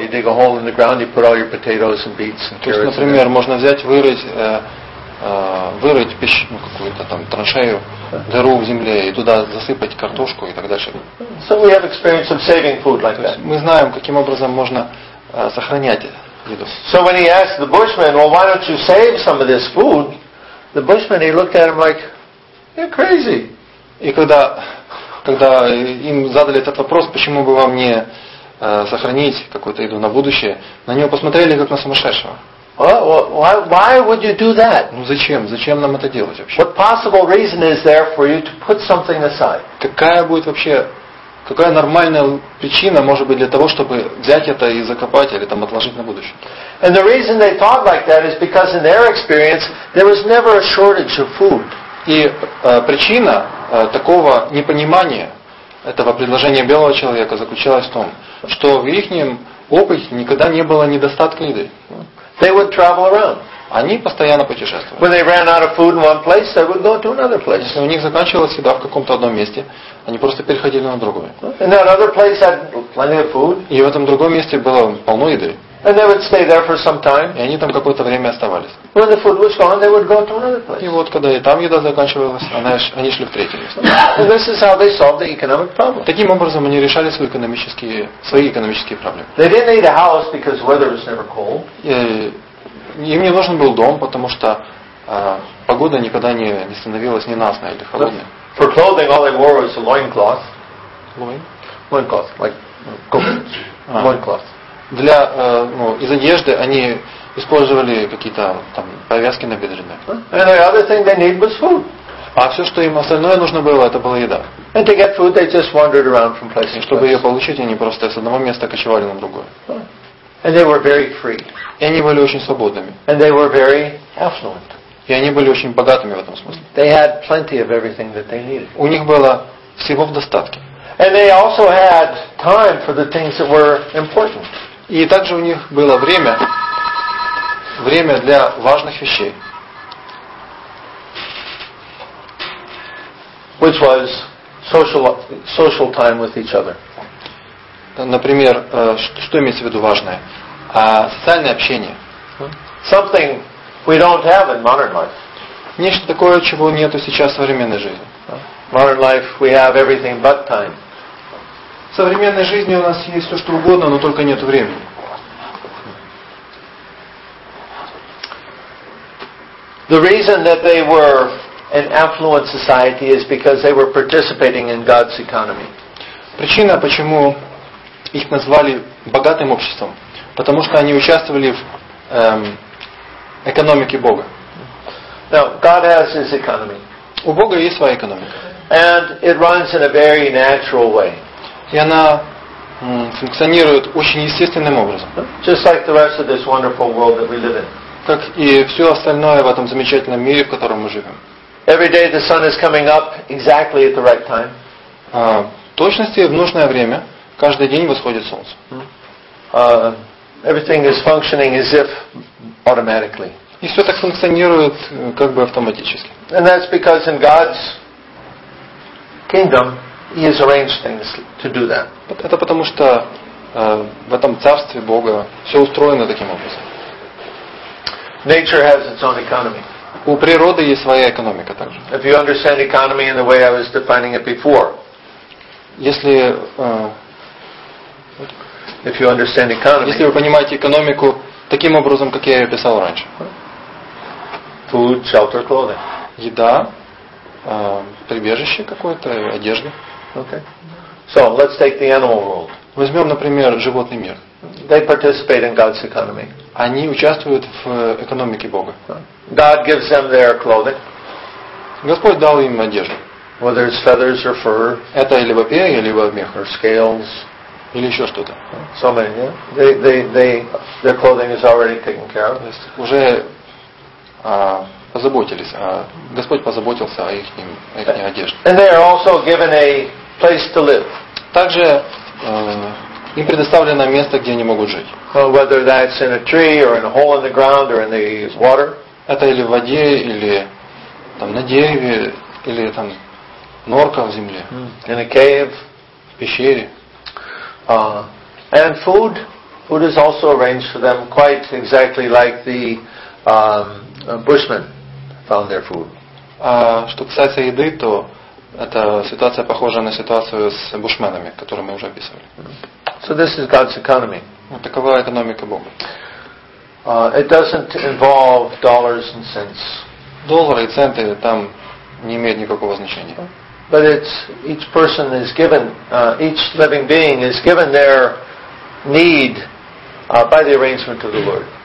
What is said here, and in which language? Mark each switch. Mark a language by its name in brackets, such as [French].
[English] You dig a hole in the ground, you put all your potatoes and beets and carrots. [Russian] То есть, например, можно взять, вырыть пещеру, какую-то там траншею, дыру в земле и туда засыпать картошку и так дальше. [English] So we have experience of saving food like that. [Russian] Мы знаем, каким образом можно сохранять еду. [English] So when he asked the bushman, well, why don't you save some of this food? The bushman, he looked at him like, you're crazy. [Russian] И когда им задали этот вопрос, почему бы вам не сохранить какую-то еду на будущее, на него посмотрели как на сумасшедшего. [English] Why would you do that? [Russian] Ну зачем? Зачем нам это делать вообще? [English] What possible reason is there for you to put something aside? [Russian] Какая будет вообще, какая нормальная причина может быть для того, чтобы взять это и закопать или там отложить на будущее? [English] And the reason they thought like that is because in their experience there was never a shortage of food. [Russian] И причина такого непонимания этого предложения белого человека заключалась в том, что в ихнем опыте никогда не было недостатка еды. [English] They would travel around. [Russian] Они постоянно путешествовали. [English] When they ran out of food in one place, they would go to another place. [Russian] Если у них заканчивалась еда в каком-то одном месте, они просто переходили на другое. [English] And that other place had plenty of food. [Russian] И в этом другом месте было полно еды. [English] And they would stay there for some time. [Russian] И они там какое-то время оставались. [English] When the food was gone, they would go to another place. [Russian] И вот когда и там еда заканчивалась, они шли в третье место. [English] And this is how they solved the economic problem. [Russian] Таким образом они решали свои экономические проблемы. [English] They didn't need a house because weather was never cold. [Russian] Им не нужен был дом, потому что погода никогда не становилась ненастной или холодной. [English] For clothing, all they wore was a loincloth. Loincloth, like loincloth. [Russian] Для из одежды они использовали какие-то там повязки набедренные. [English] And the other thing they needed was food. [Russian] А все, что им остальное нужно было, это была еда. [English] And to get food, they just wandered around from place to place. [Russian] Чтобы ее получить, они просто с одного места кочевали на другое. [English] And they were very free. [Russian] И они были очень свободными. [English] And they were very affluent. [Russian] И они были очень богатыми в этом смысле. [English] They had plenty of everything that they needed. [Russian] У них было всего в достатке. [English] And they also had time for the things that were important. [Russian] И также у них было время для важных вещей. [English] Which was social time with each other. [Russian] Например, что имеется в виду важное? Социальное общение. [English] Something we don't have in modern life. [Russian] Нечто такое, чего нету сейчас в современной жизни. [English] Modern life we have everything but time. [Russian] В современной жизни у нас есть все что угодно, но только нет времени. [English] The reason that they were an affluent society is because they were participating in God's economy. [Russian] Причина, почему их назвали богатым обществом, потому что они участвовали в экономике Бога. [English] Now, God has his economy. [Russian] У Бога есть своя экономика. [English] And it runs in a very natural way. [Russian] И она функционирует очень естественным образом. [English] Just like the rest of this wonderful world that we live in. [Russian] Как и все остальное в этом замечательном мире, в котором мы живем. [English] Every day the sun is coming up exactly at the right time. [Russian] В точности в нужное время каждый день восходит солнце. [English] Everything is functioning as if automatically. [Russian] И все так функционирует как бы автоматически. [English] And that's because in God's kingdom he has arranged things to do that. [Russian] Это потому что в этом царстве Бога все устроено таким образом. [English] Nature has its own economy. [Russian] У природы есть своя экономика также. [English] If you understand economy in the way I was defining it before. [Russian] Если [English] if you understand economy. [Russian] Если вы понимаете экономику таким образом, как я ее писал раньше. [English] Food, shelter, clothing. [Russian] Еда, прибежище какое-то, одежда. [English] Okay. So let's take the animal world. [Russian] Возьмем, например, животный мир. [English] They participate in God's economy. [Russian] Они участвуют в экономике Бога. [English] God gives them their clothing. [Russian] Господь дал им одежду. [English] Whether it's feathers or fur. [Russian] Это либо перья, либо мех. [English] Or scales. [Russian] Или еще что-то. [English] So many, yeah. They their clothing is already taken care of. [Russian] То есть уже позаботились. Господь позаботился о их одежде. [English] And they are also given a place to live. [Russian] Также им предоставлено место, где они могут жить. [English] Well, whether that's in a tree or in a hole in the ground or in the water. [Russian] Это или в воде, или там на дереве, или там норка в земле. [English] In a cave. [Russian] В пещере. [English] And food. Food is also arranged for them quite exactly like the bushmen found their food. [Russian] Что касается еды, то это ситуация похожа на ситуацию с бушменами, которую мы уже описывали. [English] So this is God's economy. [Russian] Вот такова экономика Бога. [English] It doesn't involve dollars and cents. [Russian] Доллары и центы там не имеют никакого значения. [English] But it's each person is given, each living being is given their need by the arrangement of the Lord.